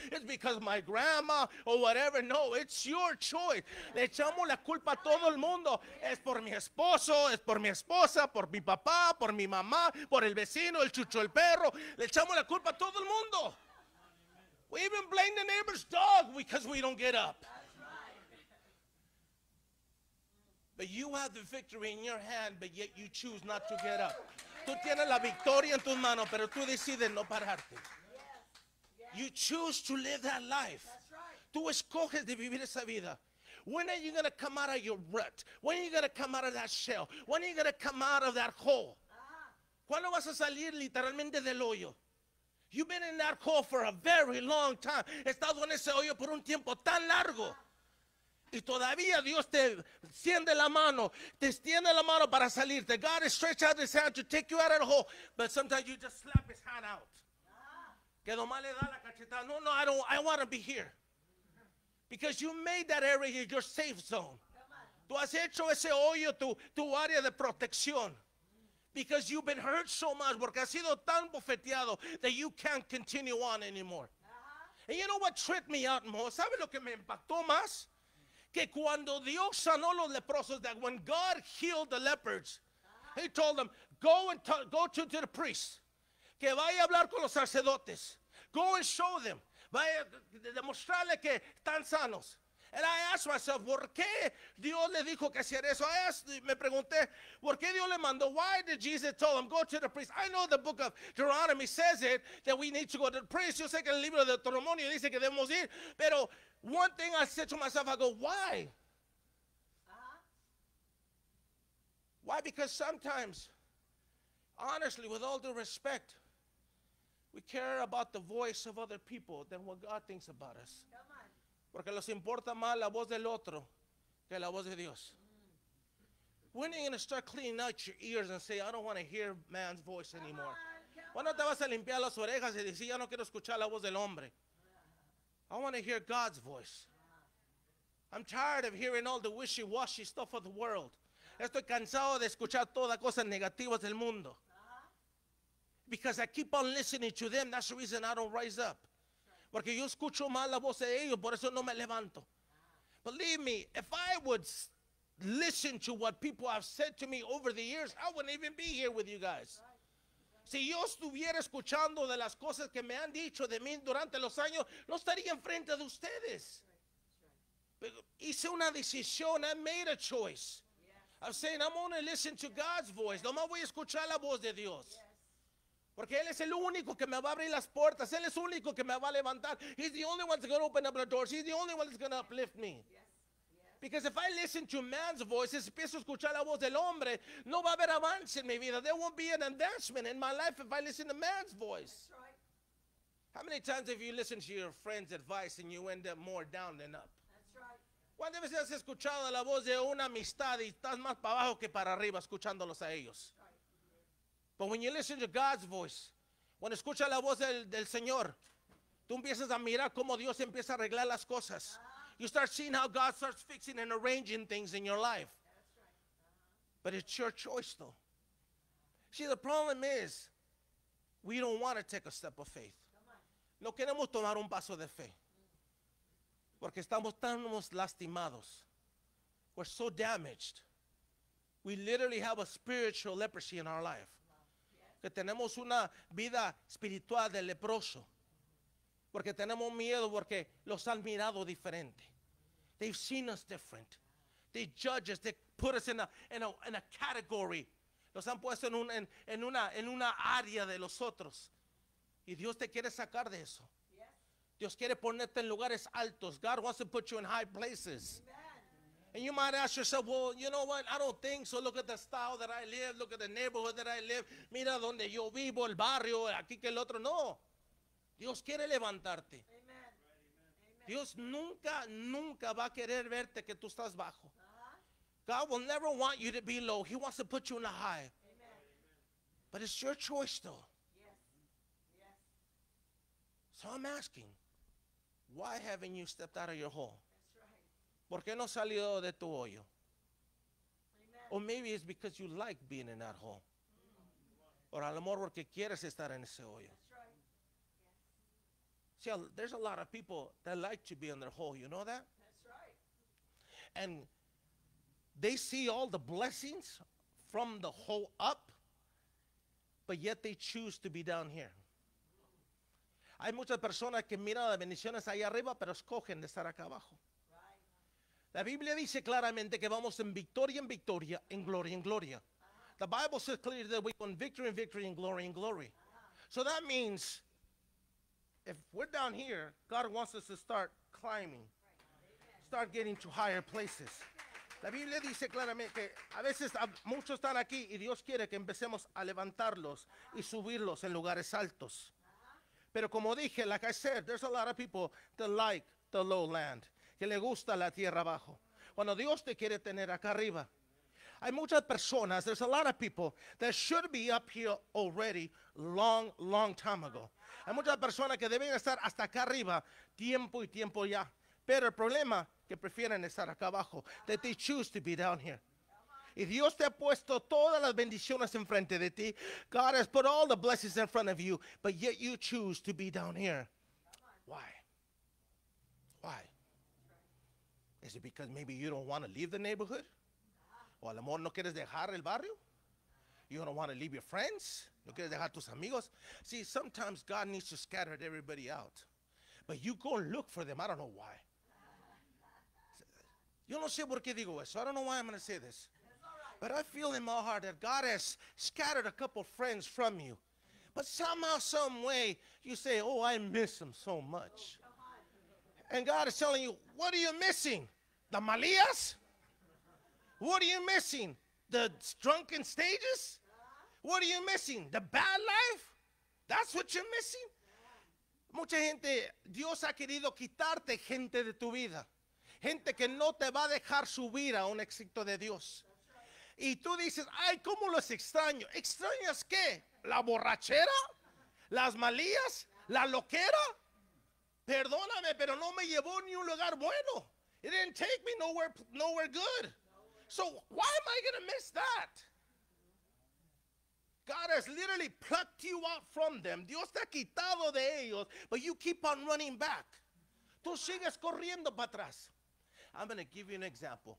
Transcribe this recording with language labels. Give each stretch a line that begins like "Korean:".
English: It's because my grandma or whatever. No, it's your choice.
Spanish: Le echamos la culpa a todo el mundo. Es por mi esposo, es por mi esposa, por mi papá, por mi mamá, por el vecino, el chucho, el perro. Le echamos la culpa a todo el mundo.
English: We even blame the neighbor's dog because we don't get up. But you have the victory in your hand, but yet you choose not to get up.
Spanish: Tú tienes la victoria en tus manos, pero tú decides no pararte.
English: You choose to live that life.
Spanish: Tú escoges de vivir esa vida.
English: When are you going to come out of your rut? When are you going to come out of that shell? When are you going to come out of that hole?
Spanish: ¿Cuándo vas a salir literalmente del hoyo?
English: You've been in that hole for a very long time.
Spanish: Estás en ese hoyo por un tiempo tan largo. Y todavía Dios te extiende la mano. Te extiende la mano para salirte.
English: God has stretched out his hand to take you out of the hole. But sometimes you just slap his hand out.
Spanish: Que nomás le da la cachetada.
English: No, no, I don't. I want to be here. Because you made that area your safe zone.
Spanish: Tú has hecho ese hoyo tu área de protección.
English: Because you've been hurt so much.
Spanish: Porque has sido tan bofeteado
English: that you can't continue on anymore. And you know what tripped me out more?
Spanish: ¿Sabe lo que me impactó más? Que cuando Dios sanó los leprosos,
English: that when God healed the lepers, he told them, go to the priest.
Spanish: Que vaya a hablar con los sacerdotes.
English: Go and show them.
Spanish: Vaya a demostrarle que están sanos.
English: And I asked myself,
Spanish: ¿por qué Dios le dijo que hacer eso? Me pregunté, ¿por qué Dios le mandó?
English: Why did Jesus tell them, go to the priest? I know the book of Deuteronomy says it, that we need to go to the priest.
Spanish: Yo sé que el libro de Deuteronomio dice que debemos ir, pero...
English: One thing I said to myself, I go, why? Why? Because sometimes, honestly, with all due respect, we care about the voice of other people than what God thinks about us. Come on.
Spanish: Porque nos importa más la voz del otro que la voz de Dios.
English: When are you going to start cleaning out your ears and say, I don't want to hear man's voice anymore?
Spanish: ¿Cuándo te vas a limpiar las orejas y decir, ya no quiero escuchar la voz del hombre?
English: I want to hear God's voice. I'm tired of hearing all the wishy-washy stuff of the world.
Spanish: Estoy cansado de escuchar todas cosas negativas del mundo.
English: Because I keep on listening to them, that's the reason I don't rise up.
Spanish: Porque yo escucho mal la voz de ellos, por eso no me levanto.
English: Believe me, if I would listen to what people have said to me over the years, I wouldn't even be here with you guys.
Spanish: Si yo estuviera escuchando de las cosas que me han dicho de mí durante los años, no estaría enfrente de ustedes. Pero hice una decisión.
English: I made a choice. I'm saying I'm only listening to God's voice.
Spanish: No más voy a escuchar la voz de Dios. Porque Él es el único que me va a abrir las puertas. Él es el único que me va a levantar.
English: He's the only one that's going to open up the doors. He's the only one that's going to uplift me. Because if I listen to man's voice,
Spanish: si empiezo a escuchar la voz del hombre, no va a haber avance en mi vida.
English: There won't be an advancement in my life if I listen to man's voice. Right. How many times have you listened to your friend's advice and you end up more down than up? That's right.
Spanish: ¿Cuántas veces has escuchado la voz de una amistad y estás más para abajo que para arriba escuchándolos a ellos?
English: But when you listen to God's voice,
Spanish: when escuchas la voz del Señor, tú empiezas a mirar cómo Dios empieza a arreglar las cosas.
English: You start seeing how God starts fixing and arranging things in your life. That's right. Uh-huh. But it's your choice, though. See, the problem is, we don't want to take a step of faith.
Spanish: No queremos tomar un paso de fe. Porque estamos tan lastimados.
English: We're so damaged. We literally have a spiritual leprosy in our life.
Spanish: Que tenemos una vida espiritual de leproso. Porque tenemos miedo porque los han mirado diferente.
English: They've seen us different. They judge us. They put us in a category.
Spanish: Los han puesto en una área de los otros. Y Dios te quiere sacar de eso. Dios quiere ponerte en lugares altos.
English: God wants to put you in high places. Amen. And you might ask yourself, well, you know what? I don't think so. Look at the style that I live. Look at the neighborhood that I live.
Spanish: Mira donde yo vivo, el barrio, aquí que el otro. No. Dios quiere levantarte. Amen. Dios nunca, nunca va a querer verte que tú estás bajo. Uh-huh.
English: God will never want you to be low. He wants to put you in the high. Amen. But it's your choice, though. Yes. Yes. So I'm asking, why haven't you stepped out of your hole?
Spanish: ¿Por qué no salido de tu hoyo? Amen.
English: Or maybe it's because you like being in that hole.
Spanish: Or a lo mejor porque quieres estar en ese hoyo.
English: That's right. Yes. See, there's a lot of people that like to be in their hole. You know that? That's right. And they see all the blessings from the hole up, but yet they choose to be down here.
Spanish: Hay muchas personas que miran las bendiciones ahí arriba, pero escogen de estar acá abajo. La Biblia dice claramente que vamos en victoria, en gloria, en gloria. Uh-huh.
English: The Bible says clearly that we go in victory, in glory, in glory. Uh-huh. So that means if we're down here, God wants us to start climbing, right. Start getting to higher places.
Spanish: La Biblia dice claramente que a veces muchos están aquí y Dios quiere que empecemos a levantarlos y subirlos en lugares altos. Uh-huh. Pero como dije,
English: like I said, there's a lot of people that like the low land,
Spanish: que le gusta la tierra abajo. Cuando Dios te quiere tener acá arriba. Hay muchas personas,
English: there's a lot of people that should be up here already long, long time ago.
Spanish: Hay muchas personas que deben estar hasta acá arriba tiempo y tiempo ya. Pero el problema, que prefieren estar acá abajo.
English: That they choose to be down here.
Spanish: Y Dios te ha puesto todas las bendiciones enfrente de ti.
English: God has put all the blessings in front of you, but yet you choose to be down here. Why? Why? Is it because maybe you don't want to leave the neighborhood?
Spanish: O a lo mejor no quieres dejar el barrio?
English: You don't want to leave your friends?
Spanish: No quieres dejar tus amigos?
English: See, sometimes God needs to scatter everybody out. But you go and look for them. I don't know why.
Spanish: Yo no sé por qué digo eso.
English: I don't know why I'm going to say this. But I feel in my heart that God has scattered a couple friends from you. But somehow, some way, you say, oh, I miss them so much. And God is telling you, what are you missing? The Malias? What are you missing? The drunken stages? What are you missing? The bad life? That's what you're missing?
Spanish: Mucha gente, Dios ha querido quitarte gente de tu vida. Gente que no te va a dejar subir a un éxito de Dios. Y tú dices, ay, ¿cómo los extraño? ¿Extrañas qué? ¿La borrachera? ¿Las Malias? ¿La loquera? Perdóname, pero no me llevó ni un lugar bueno.
English: It didn't take me nowhere good. Nowhere. So why am I going to miss that? God has literally plucked you out from them.
Spanish: Dios te ha quitado de ellos,
English: but you keep on running back.
Spanish: Tú sigues corriendo para atrás.
English: I'm going to give you an example.